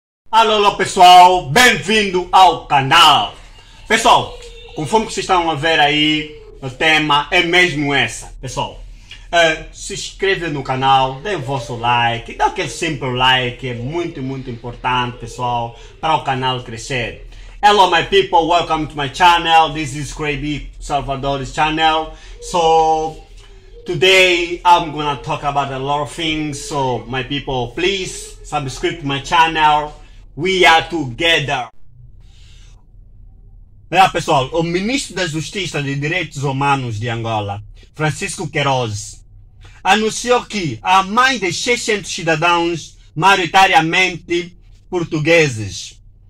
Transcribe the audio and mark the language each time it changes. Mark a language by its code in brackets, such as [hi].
[pt] Alô, alô, pessoal, bem-vindo ao canal. Pessoal, conforme vocês estão a ver aí, o tema é mesmo essa. Pessoal, se inscreve no canal, dê o vosso like, dá aquele simples like, é muito, muito importante, pessoal, para o canal crescer. [en] Hello, my people, welcome to my channel. This is Craby Salvador's channel. So, today I'm gonna talk about a lot of things. So, my people, please subscribe to my channel. We are together. [pt] Olá, pessoal, o ministro da Justiça de Direitos Humanos de Angola, Francisco Queiroz, anunciou que há mais de 600 cidadãos, maioritariamente portugueses.